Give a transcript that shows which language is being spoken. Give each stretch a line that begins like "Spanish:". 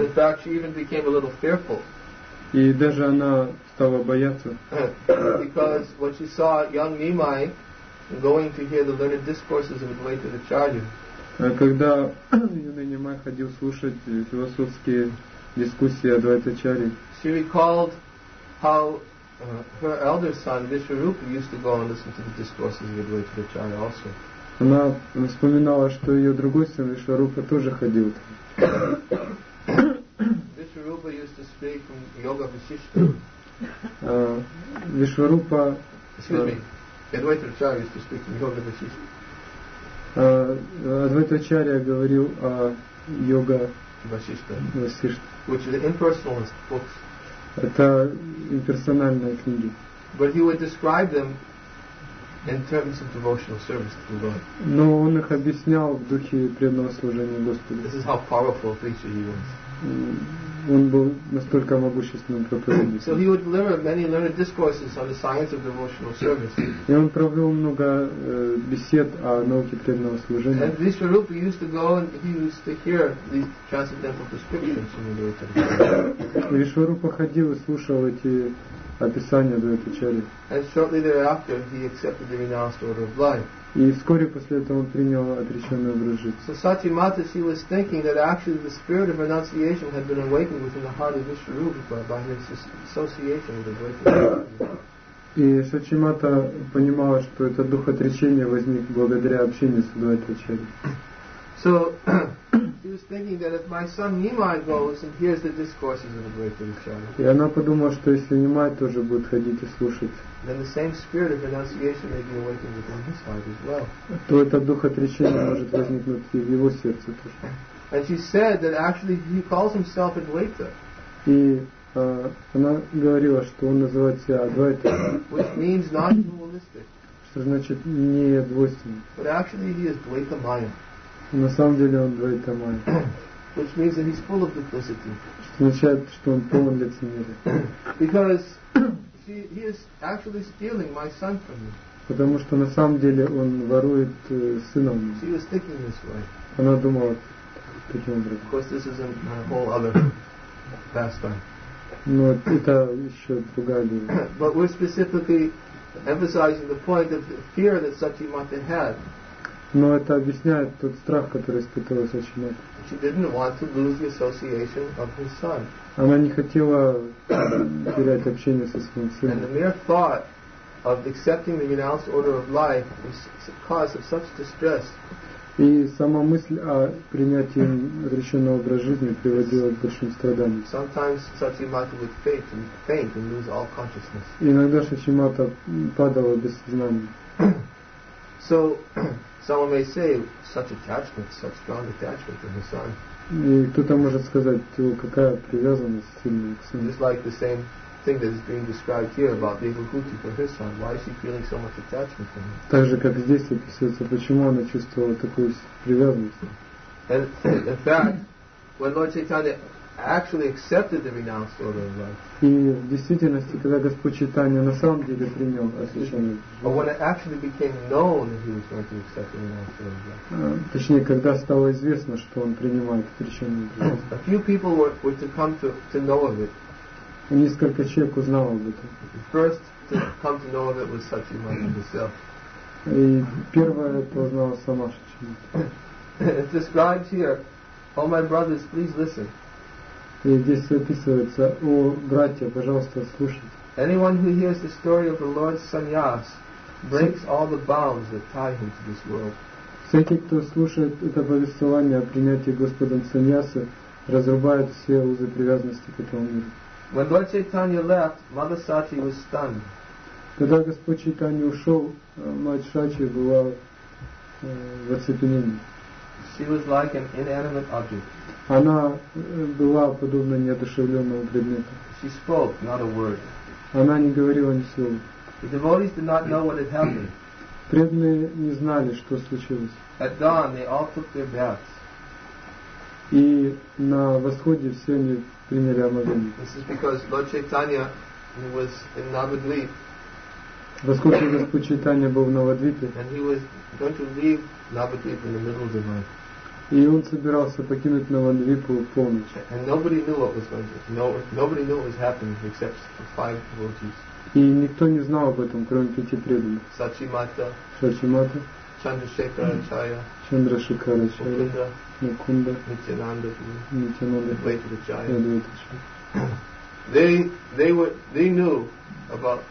English: And in fact, she even became a little fearful.
Russian: И даже она стала бояться.
English: Because when she saw young Nimai going to hear the learned discourses of Advaita Acharya,
Russian: когда юный Нимай ходил слушать философские дискуссии Адвайта Ачарьи,
English: she recalled how her elder son Vishwarupa used to go and listen to the discourses of Advaita Acharya also.
Russian: Она вспоминала, что ее другой сын Вишварупа тоже ходил.
English: Vishwarupa used to speak from Yoga Vasishtha. Vishwarupa. Excuse me. Advaita Acharya used to speak from Yoga Vasishtha.
Russian: Advaita Acharya говорил о Yoga
English: Vasishtha, which is an impersonalist books.
Russian: Это имперсональные книги.
English: But he would describe them in terms of devotional service to the Lord.
Russian: Но он их объяснял в духе преданного служения Господу.
English: This is how powerful a teacher he was.
Russian: Он был настолько могущественным проповедником.
English: So he would deliver many learned discourses on the science of devotional service.
Russian: И он провел много бесед о науке преданного служения.
English: And Vishwarupa used to go and he used to hear these transcendental descriptions from the Lord.
Russian: Вишварупа ходил и слушал эти описания до этой чари.
English: And shortly thereafter he accepted the renounced order of life.
Russian: И вскоре после этого он принял отреченный образ жизни.
English: So Sati Mata, she was thinking that actually the spirit of renunciation had been awakened within the heart of Vishwarupa by his association with the great.
Russian: И Сати Мата понимала, что этот дух отречения возник благодаря общению с Адвайта Ачарьей.
English: So she was thinking that if my son Nimai goes and hears the discourses of the great Acharya,
Russian: и она подумала, что если Нимай тоже будет ходить и слушать,
English: then the same spirit of renunciation may be awakened within his heart as well.
Russian: То этот дух отречения может возникнуть и в его сердце тоже.
English: And she said that actually he calls himself Advaita.
Russian: И она говорила, что он называет себя Адвайта.
English: Which means not dualistic.
Russian: Что значит не двойственный.
English: But actually he is Dvaita Maya.
Russian: На самом деле он Dvaita Maya.
English: Which means that he's full of duplicity.
Russian: Что означает, что он полон лицемерия.
English: Because he is actually stealing my son from me.
Russian: Потому что на самом деле он ворует сына у меня.
English: She was thinking this way.
Russian: Она думала таким образом.
English: Of course, this is a whole other pastime.
Russian: Но это еще другая линия.
English: But we're specifically emphasizing the point of the fear that Satyamata had.
Russian: Но это объясняет тот страх, который испытывала Сачимата.
English: She didn't want to lose the association of her son.
Russian: Она не хотела терять общение со своим сыном.
English: And the mere thought of accepting the renounced order of life is a cause of such distress.
Russian: И сама мысль о принятии разрешенного образа жизни приводила к большим страданиям.
English: Sometimes Satyamata would faint and lose all consciousness.
Russian: Иногда Сачимата падала без сознания.
English: So someone may say, such attachment, such strong attachment to the son.
Russian: И кто-то может сказать, какая привязанность сильная к сыну.
English: Just like the same thing that is being described here about Devahuti for her son. Why is she feeling so much attachment to him?
Russian: Так же, как здесь описывается, почему она чувствовала такую привязанность.
English: And in fact, when Lord Chaitanya actually accepted the renounced order of life.
Russian: И в действительности, когда Господь Чайтанья на самом деле принял освященную жизнь.
English: But when it actually became known that he was going to accept the renounced order of life.
Russian: Точнее, когда стало известно, что он принимает освященную жизнь.
English: A few people were to come to know of it.
Russian: Несколько человек узнало об этом.
English: First to come to know of it was Satyamata himself.
Russian: И первое это узнала сама Сачимата.
English: It describes here, oh my brothers, please listen.
Russian: И здесь описывается, о, братья, пожалуйста, слушайте.
English: Anyone who hears the story of the Lord's sannyas breaks all the bounds that tie him to this world.
Russian: Всякий, кто слушает это повествование о принятии Господом саньясы, разрубает все узы привязанности к этому миру.
English: When Lord Chaitanya left, Mother Sati was stunned.
Russian: Когда Господь Чайтанья ушел, мать Сати была в оцепенении.
English: She was like an inanimate object.
Russian: Она была подобна неодушевленному предмету.
English: She spoke not a word.
Russian: Она не говорила ни слова.
English: The devotees did not know what had happened.
Russian: Преданные не знали, что случилось.
English: At dawn, they all took their baths.
Russian: И на восходе все они приняли омовение.
English: This is because Lord Chaitanya was in Navadvip.
Russian: Поскольку Господь Чайтанья был в Навадвипе.
English: And he was going to leave Navadvip in the middle of the night.
Russian: И он собирался покинуть Навадвипу в полночь.
English: And nobody knew what was going to happen. Nobody knew what was happening except for five devotees.
Russian: И никто не знал об этом, кроме пяти преданных. Сачимата. Сачимата. Чандрашекара Ачарья. Чандрашекара Ачарья. Мукунда. Нитьянанда. Нитьянанда.
English: Адвайта Ачарья. They knew about...